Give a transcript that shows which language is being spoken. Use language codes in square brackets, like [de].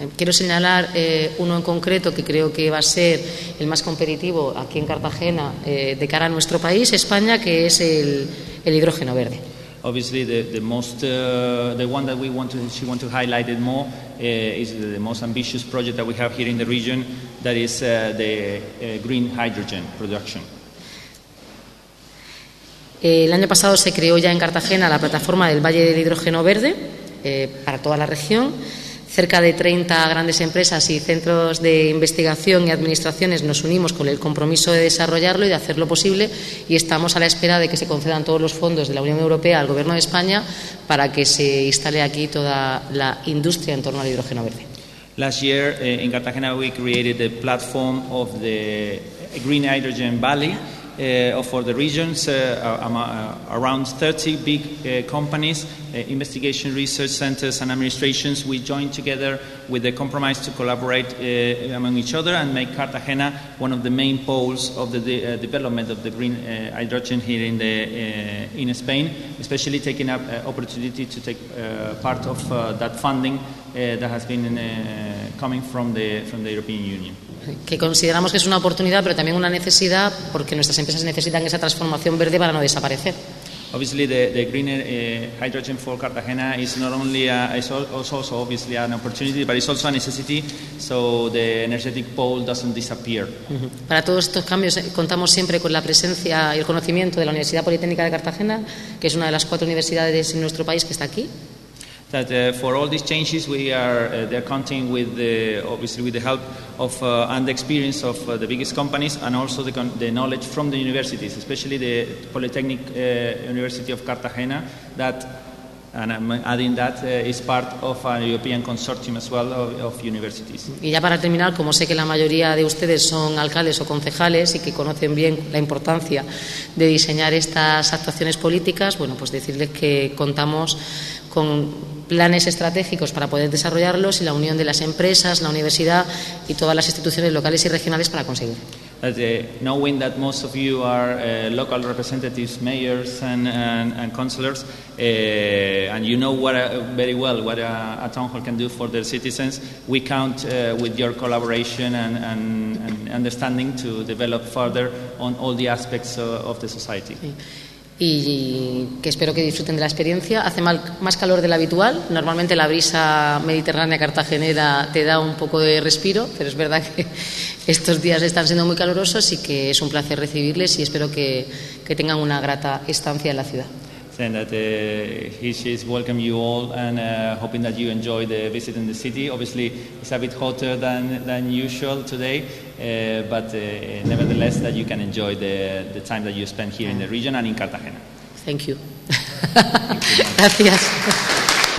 [es] Quiero señalar uno en concreto que creo que va a ser el más competitivo aquí en Cartagena de cara a nuestro país, España, que es el hidrógeno verde. [en] Obviously, the one that she wants to highlight it more is the most ambitious project that we have here in the region, that is the green hydrogen production. [es] El año pasado se creó ya en Cartagena la plataforma del Valle del Hidrógeno Verde para toda la región. Cerca de 30 grandes empresas y centros de investigación y administraciones nos unimos con el compromiso de desarrollarlo y de hacerlo posible y estamos a la espera de que se concedan todos los fondos de la Unión Europea al Gobierno de España para que se instale aquí toda la industria en torno al hidrógeno verde. [en] Last year in Cartagena we created the platform of the Green Hydrogen Valley for the regions around 30 big companies, investigation research centers and administrations. We joined together with the compromise to collaborate among each other and make Cartagena one of the main poles of the development of the green hydrogen here in the in Spain, especially taking up opportunity to take part of that funding that has been coming from the European Union. [es] Que consideramos que es una oportunidad, pero también una necesidad, porque nuestras empresas necesitan esa transformación verde para no desaparecer. [en] Obviously, the green hydrogen for Cartagena is not only also obviously an opportunity, but it's also a necessity, so the energetic pole doesn't disappear. [es] Para todos estos cambios contamos siempre con la presencia y el conocimiento de la Universidad Politécnica de Cartagena, que es una de las cuatro universidades en nuestro país que está aquí. [en] That for all these changes we are they're counting with the obviously with the help of and the experience of the biggest companies and also the knowledge from the universities, especially the Polytechnic University of Cartagena, that, and I'm adding that, is part of a European consortium as well of universities. [es] Y ya para terminar, como sé que la mayoría de ustedes son alcaldes o concejales y que conocen bien la importancia de diseñar estas actuaciones políticas, bueno, pues decirles que contamos con planes estratégicos para poder desarrollarlos y la unión de las empresas, la universidad y todas las instituciones locales y regionales para conseguirlo. [en] knowing that most of you are local representatives, mayors and councillors, and you know very well what a town hall can do for their citizens, we count with your collaboration and understanding to develop further on all the aspects of the society. [es] Y que espero que disfruten de la experiencia. Hace más calor de lo habitual. Normalmente la brisa mediterránea cartagenera te da un poco de respiro, pero es verdad que estos días están siendo muy calurosos y que es un placer recibirles y espero que tengan una grata estancia en la ciudad. [en] Saying that he welcome you all and hoping that you enjoy the visit in the city. Obviously, it's a bit hotter than usual today, but nevertheless, that you can enjoy the time that you spend here in the region and in Cartagena. Thank you. [es] Gracias.